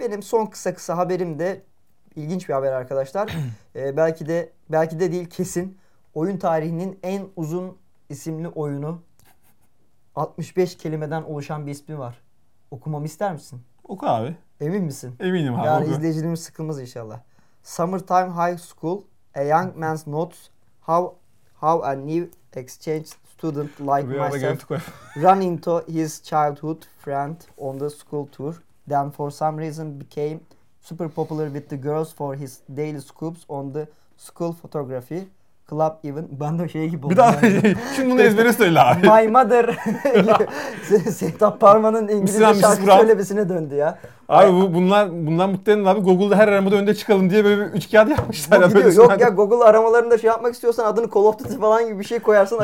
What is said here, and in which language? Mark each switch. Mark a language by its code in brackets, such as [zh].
[tr] Benim son kısa haberim de ilginç bir haber arkadaşlar. belki de değil kesin oyun tarihinin en uzun isimli oyunu 65 kelimeden oluşan bir ismi var. Okumamı ister misin? Oku abi. Emin misin? Eminim abi. Yani izleyicilerimiz sıkılmaz inşallah. [en] Summertime High School. A Young Man's Notes, How a New Exchange Student Like Myself Ran Into His Childhood Friend on the School Tour, Then for some reason became super popular with the girls for his daily scoops on the school photography club even. [tr] Ben de şey gibi oldum. Bir daha şimdi bunu ezberi söyle abi. My Mother Setup Parma'nın İngilizce şarkı söylemesine döndü ya. Abi bunlar muhtemelen abi Google'da her aramada önde çıkalım diye böyle üç kağıt yapmışlar. Yok ya, Google aramalarında şey yapmak istiyorsan adını Call of Duty falan gibi bir şey koyarsan